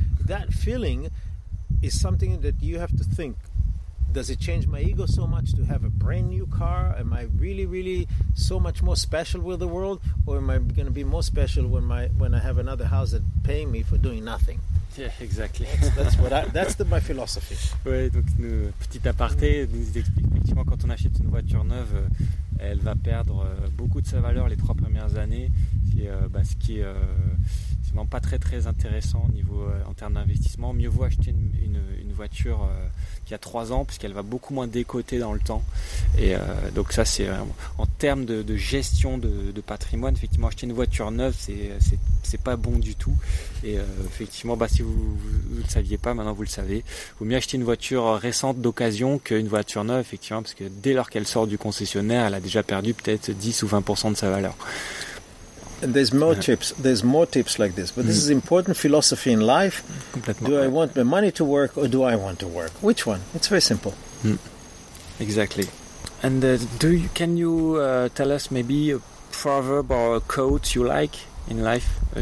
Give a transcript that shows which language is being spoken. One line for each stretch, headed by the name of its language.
English: That feeling is something that you have to think. Does it change my ego so much to have a brand new car? Am I really, really so much more special with the world? Or am I going to be more special when I have another house that pay me for doing nothing? Yeah, exactly. That's my philosophy.
French: Oui, donc, petit aparté, nous explique effectivement, quand on achète une voiture neuve, elle va perdre beaucoup de sa valeur les trois premières années, ce qui est sinon pas très, très intéressant en termes d'investissement. Mieux vaut acheter une voiture... qu'il y a 3 ans, puisqu'elle va beaucoup moins décoter dans le temps. Et donc ça, c'est en termes de gestion de patrimoine, effectivement, acheter une voiture neuve, c'est pas bon du tout. Et effectivement, bah, si vous ne le saviez pas, maintenant vous le savez, il vaut mieux acheter une voiture récente d'occasion qu'une voiture neuve, effectivement, parce que dès lors qu'elle sort du concessionnaire, elle a déjà perdu peut-être 10 ou 20% de sa valeur.
English: There's more tips. There's more tips like this, but this is important philosophy in life. Do I want my money to work or do I want to work? Which one? It's very simple. Mm. Exactly. And can you tell us maybe a proverb or a quote you like in life?